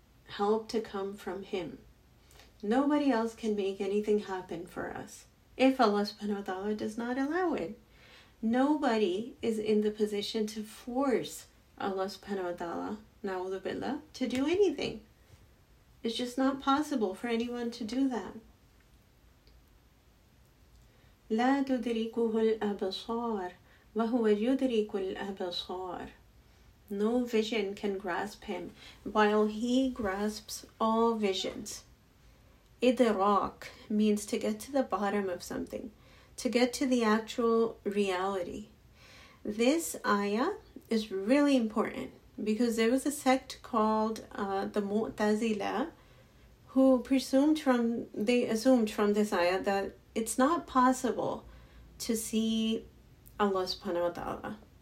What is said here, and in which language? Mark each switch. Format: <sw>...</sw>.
<en>help to come from Him. Nobody else can make anything happen for us if Allah subhanahu wa ta'ala does not allow it. Nobody is in the position to force Allah subhanahu wa ta'ala, na'udhu billah, to do anything. It's just not possible for anyone to do that.</en> <ar>لا تدركه الأبصار وهو يدرك الأبصار.</ar> <en>No vision can grasp him while he grasps all visions. Idrak means to get to the bottom of something, to get to the actual reality. This ayah is really important because there was a sect called the Mu'tazila who assumed from this ayah that it's not possible to see Allah subhanahu wa ta'ala.</en>